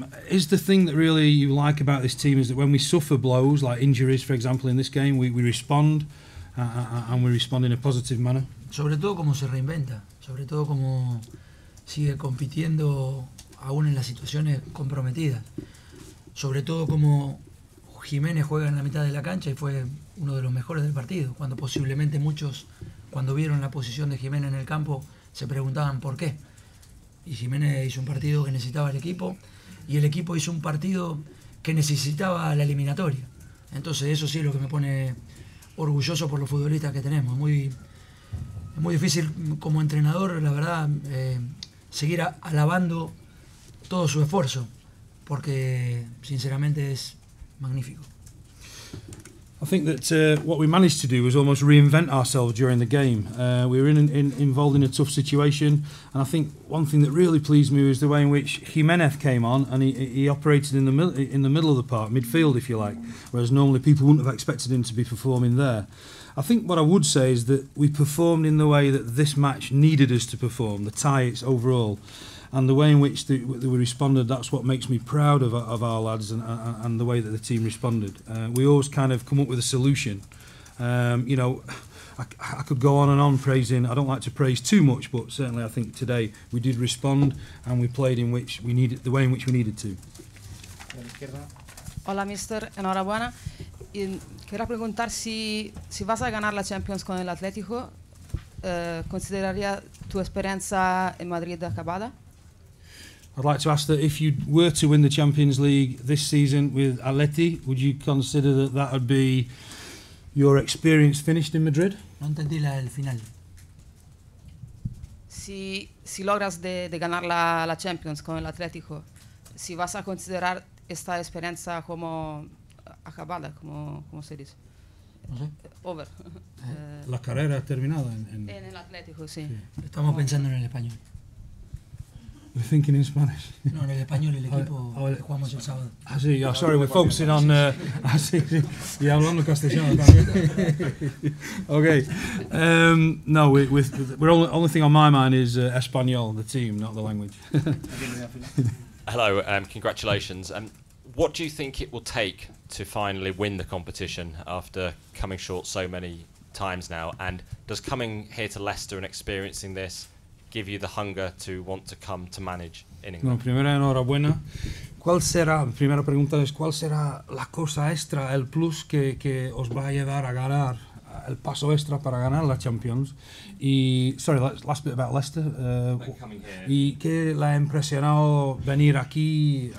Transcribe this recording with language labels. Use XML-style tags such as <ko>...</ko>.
<en>Is the thing that really you like about this team is that when we suffer blows, like injuries, for example, in this game, we respond. And we respond in a positive manner.</en> <es>Sobre todo como se reinventa, sobre todo como sigue compitiendo aún en las situaciones comprometidas. Sobre todo como Jiménez juega en la mitad de la cancha y fue uno de los mejores del partido, cuando posiblemente muchos, cuando vieron la posición de Jiménez en el campo, se preguntaban por qué. Y Jiménez hizo un partido que necesitaba el equipo, y el equipo hizo un partido que necesitaba la eliminatoria. Entonces eso sí es lo que me pone orgulloso por los futbolistas que tenemos. Muy difícil como entrenador, la verdad, seguir alabando todo su esfuerzo, porque sinceramente es magnífico.</es> <en>I think that what we managed to do was almost reinvent ourselves during the game. We were involved in a tough situation, and I think one thing that really pleased me was the way in which Jiménez came on, and he operated in the middle of the park, midfield if you like, whereas normally people wouldn't have expected him to be performing there. I think what I would say is that we performed in the way that this match needed us to perform, the tights overall. And the way in which we responded, that's what makes me proud of our lads and the way that the team responded. We always kind of come up with a solution. You know, I could go on and on praising. I don't like to praise too much, but certainly I think today we did respond and we played in which we needed the way in which we needed to.</en> <es>Hola, mister. Enhorabuena. Quería preguntar si vas a ganar la Champions con el Atlético. ¿Consideraría tu experiencia en Madrid acabada?</es> <en>I'd like to ask that if you were to win the Champions League this season with Atleti, would you consider that that would be your experience finished in Madrid?</en> <es>No entendí la del final. Si logras de ganar la Champions con el Atlético, si vas a considerar esta experiencia como acabada, como se dice. No sé.</es> <en>Over.</en> <es>La carrera terminada en el Atlético, sí. Sí. Estamos pensando en el español.</es> <en>We're thinking in Spanish.</en> <es>No, en el español el equipo jugamos el sábado.</es> <en>Ah, sí, oh, sorry, we're focusing on...</en> <es>Sí, hablando castellano también.</es> <en>Okay. No, we're only thing on my mind is Espanol, the team, not the language. Hello, congratulations. What do you think it will take to finally win the competition after coming short so many times now? And does coming here to Leicester and experiencing this give you the hunger to want to come to manage in England?</en> <es>Bueno, primero, enhorabuena. ¿Cuál será, primera pregunta es, cuál será la cosa extra, el plus que os va a llevar a ganar, el paso extra para ganar la Champions? Y,</es> <en>sorry, last bit about Leicester.</en> <es>¿Y qué le ha impresionado venir aquí?</es>